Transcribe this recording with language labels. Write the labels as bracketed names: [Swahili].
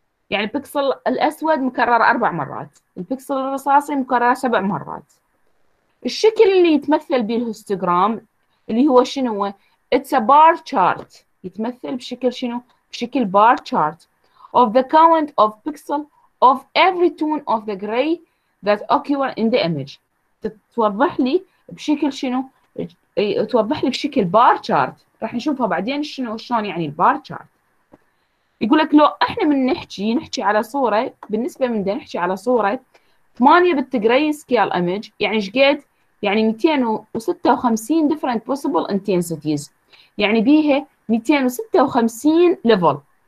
[Arabic] يعني البكسل الأسود مكرر 4 مرات، البكسل الرصاصي مكرر 7 مرات. الشكل اللي يتمثل به الهستوغرام اللي هو شنو هو؟ [English] It's a bar chart، [Arabic] يتمثل بشكل شنو؟ بشكل [English] bar chart of the count of pixel of every tone of the gray that occur in the image. [Arabic] توضح لي بشكل شنو؟ توضح لي بشكل bar chart. راح نشوفها بعدين شنو شلون يعني البار chart. يقول لك لو احنا من نحكي على صورة، بالنسبة من ده نحكي على صورة 8 بالتجري سكيل ايمج، يعني ايش قد؟ يعني 256 [English] different possible intensities، [Arabic] يعني بيها 256 ليفل.